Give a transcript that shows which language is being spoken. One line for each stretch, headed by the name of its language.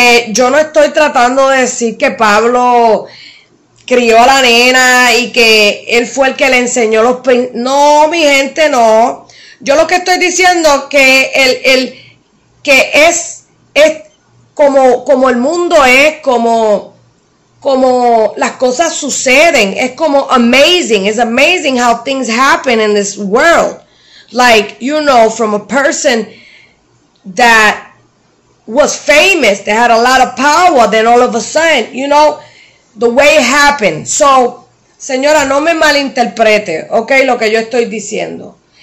Spanish: Yo no estoy tratando de decir que Pablo crió a la nena y que él fue el que le enseñó los... No, mi gente, no. Yo lo que estoy diciendo que el que es como el mundo es, como las cosas suceden. Es como amazing.
English: It's amazing how things happen in this world. Like, you know, from a person that was famous, that had a lot of power, then all of a sudden, you know, the way it happened.
Spanish: So, señora, no me malinterprete, ok, lo que yo estoy diciendo.